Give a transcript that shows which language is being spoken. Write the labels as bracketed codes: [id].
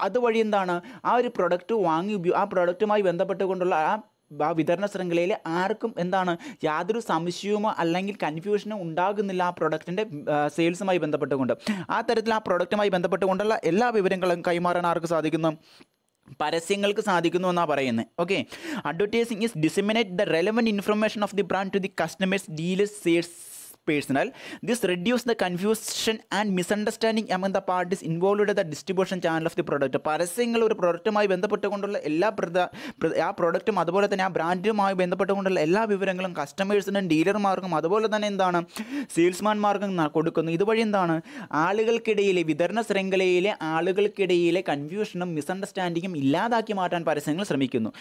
[ml] അതുവഴി എന്താണ് ആ ഒരു പ്രൊഡക്റ്റ് വാങ്ങി ആ പ്രൊഡക്റ്റുമായി ബന്ധപ്പെട്ടുകൊണ്ടുള്ള ആ വിതരണ ശൃംഖലയിൽ ആർക്കും എന്താണ് യാതൊരു സംശയമോ അല്ലെങ്കിൽ കൺഫ്യൂഷനോ ഉണ്ടാകുന്നില്ല ആ പ്രൊഡക്റ്റിൻ്റെ സെയിൽസുമായി ബന്ധപ്പെട്ടുകൊണ്ട്. ആ തരത്തിൽ ആ പ്രൊഡക്റ്റുമായി ബന്ധപ്പെട്ടുകൊണ്ടുള്ള എല്ലാ വിവരങ്ങളും കൈമാറാൻ ആർക്ക് സാധിക്കുന്നു പരസ്യങ്ങൾക്ക് സാധിക്കുന്നു എന്നാണ് പറയുന്നത്. [en] Okay, advertising is disseminate the relevant information of the brand to the customers dealers sales personnel. This reduces the confusion and misunderstanding among the parties involved in the distribution channel of the product. [ml] പരസ്യങ്ങളെ ഒരു പ്രൊഡക്റ്റുമായി ബന്ധപ്പെട്ടുകൊണ്ടുള്ള എല്ലാ ആ പ്രൊഡക്റ്റും അതുപോലെ തന്നെ ആ ബ്രാൻഡുമായി ബന്ധപ്പെട്ടുകൊണ്ടുള്ള എല്ലാ വിവരങ്ങളും കസ്റ്റമേഴ്സിനും ഡീലർമാർക്കും അതുപോലെ തന്നെ എന്താണ് സെയിൽസ്മാൻമാർക്കും കൊടുക്കുന്നു. ഇതുവഴി എന്താണ് ആളുകൾക്കിടയിലെ വിതരണ ശൃംഖലയിലെ ആളുകൾക്കിടയിലെ കൺഫ്യൂഷനും മിസ്അണ്ടർസ്റ്റാൻഡിങ്ങും ഇല്ലാതാക്കി മാറ്റാൻ പരസ്യങ്ങൾ ശ്രമിക്കുന്നു.